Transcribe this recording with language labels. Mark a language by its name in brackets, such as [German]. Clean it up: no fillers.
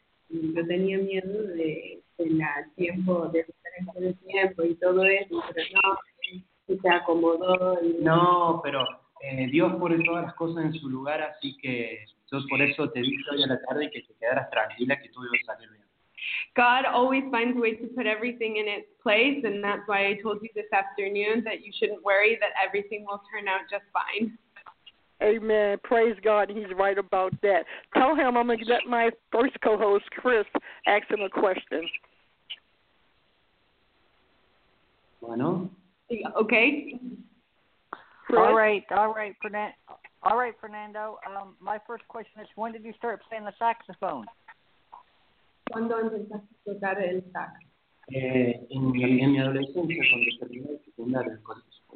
[Spanish] Yo tenía miedo de en el tiempo, de estar en el tiempo y todo eso, pero no, se acomodó. Y... No, pero Dios pone todas las cosas en su lugar, así que yo por eso te dije hoy a la tarde que te quedaras tranquila, que todo iba a salir bien. [English] God always finds a way to put everything in its place, and that's why I told you this afternoon that you shouldn't worry, that everything will turn out just fine. Amen. Praise God. He's right about that. Tell him I'm going to let my first co-host, Chris, ask him a question. [Spanish] Bueno. [English] Okay. All right, Fernando. My first question is, when did you start playing the saxophone? [Spanish] ¿Cuándo empezaste a tocar el sax? En mi adolescencia, cuando terminé de secundar el colegio.